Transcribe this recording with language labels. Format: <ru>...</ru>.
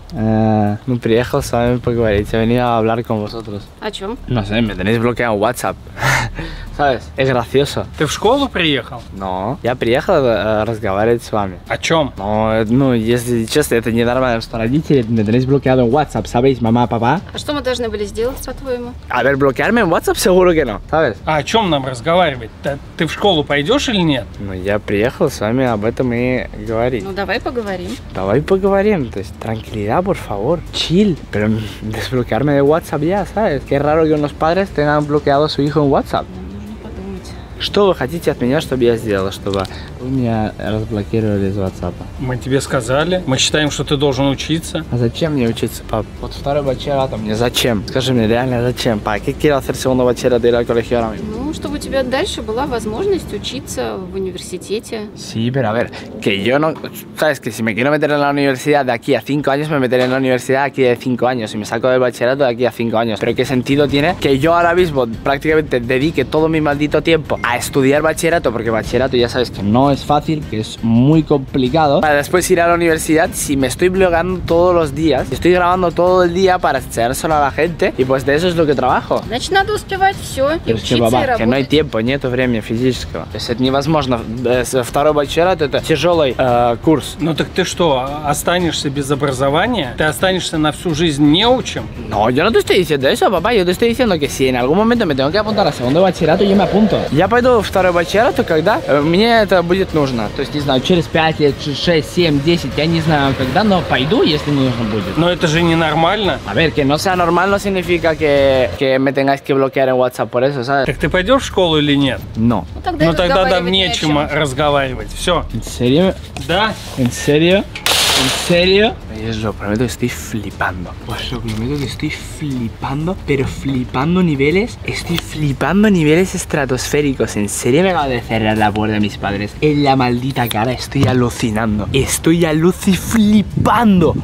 <ru>Ну, приехал с вами поговорить. Я</ru> <es>venía a hablar con vosotros.</es> <ru>О чем?</ru> <es>No sé, me tenéis bloqueado en WhatsApp. ¿Sabes? Es gracioso.</es> <ru>¿Ты в школу приехал?</ru> <es>No,</es> <ru>я приехал разговаривать с вами. О чем?</ru> <es>No,</es> <ru>ну, если честно, это не нормально, что родители</ru> <es>me tenéis bloqueado en WhatsApp, ¿sabéis?</es> <ru>Мама, папа. А что мы должны были сделать, по-твоему?</ru> <es>A ver, bloquearme en WhatsApp seguro que no, ¿sabes?</es> <ru>А о чем нам разговаривать? ¿Ты в школу пойдешь или нет? Ну, я приехал с вами об этом и говорить. Ну, давай поговорим. Давай поговорим. То есть,</ru> <es>tranquilidad, por favor. Chill. Pero desbloquearme de WhatsApp ya, ¿sabes? Qué raro que unos padres tengan bloqueado a su hijo en WhatsApp.</es> <ru>Что вы хотите от меня, чтобы я сделал, чтобы вы меня разблокировали из WhatsApp? Мы тебе сказали, мы считаем, что ты должен учиться. А зачем мне учиться, пап? Вот второй бачелор-то мне зачем? Скажи мне, реально зачем, пап?</ru> <es>¿Qué quiero hacer segundo bachelor de ir al colegio ahora mismo?</es> <ru>Ну, чтобы у тебя дальше была возможность учиться в университете.</ru> <es>Sí, pero a ver, que yo no... Sabes que si me quiero meter en la universidad de aquí a 5 años, me meteré en la universidad de aquí de 5 años. Y me saco del bachillerato de aquí a 5 años. Pero ¿qué sentido tiene que yo ahora mismo prácticamente dedique todo mi maldito tiempo a estudiar bachillerato, porque bachillerato ya sabes que no es fácil, que es muy complicado, para después ir a la universidad, si me estoy blogando todos los días, estoy grabando todo el día para enseñar solo a la gente, y pues de eso es lo que trabajo?</es> <ru>Значит, надо успевать все,</ru> <es>y es que, papá, que no hay tiempo,</es> <ru>нет времени физического. То есть это невозможно. Второй бачелорат это тяжелый курс. Ну так ты что, останешься без образования? Ты останешься на всю жизнь неучим?</ru> <es>No, yo no te estoy diciendo eso, papá, yo te estoy diciendo que si en algún momento me tengo que apuntar a segundo bachillerato, yo me apunto.</es> <ru>Я пойду во второй бачелорат, когда мне это будет нужно. То есть, не знаю, через 5 лет, 6, 7, 10, я не знаю когда, но пойду, если мне нужно будет. Но это же ненормально.</ru> <es>A ver, que no sea normal no significa que me tengáis que bloquear en WhatsApp por eso, ¿sabes?</es> <ru>Так ты пойдешь в школу или нет?</ru> <es>No.</es> <ru>Ну тогда нам нечем разговаривать, все.</ru> <es>En serio?</es> <ru>Да.</ru> <es>En serio? En serio? Yo lo prometo que estoy flipando. Pues lo prometo que estoy flipando. Pero flipando niveles. Estoy flipando niveles estratosféricos. En serio me acabo de cerrar la puerta de mis padres en la maldita cara. Estoy alucinando. Estoy aluciflipando.</es>